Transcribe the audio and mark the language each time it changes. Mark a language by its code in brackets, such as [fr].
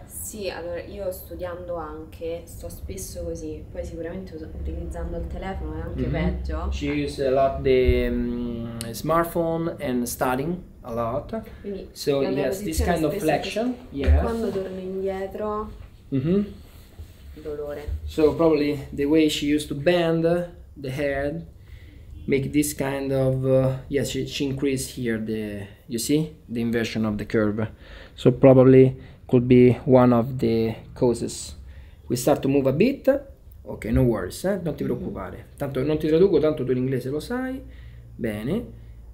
[it] Sì, allora io studiando anche, sto spesso così. Poi sicuramente utilizzando il telefono è anche peggio. [en] She uses a lot the smartphone and studying a lot. [it] Quindi, [en] so yes, this kind of flexion. Yes. [it] Quando torno indietro, dolore. [en] So probably the way she used to bend the head. Make this kind of yes, she increased here the you see the inversion of the curve, so probably could be one of the causes. We start to move a bit. Okay, no worries, eh? [it] Non ti preoccupare. Tanto non ti traduco, tanto tu l'inglese lo sai bene.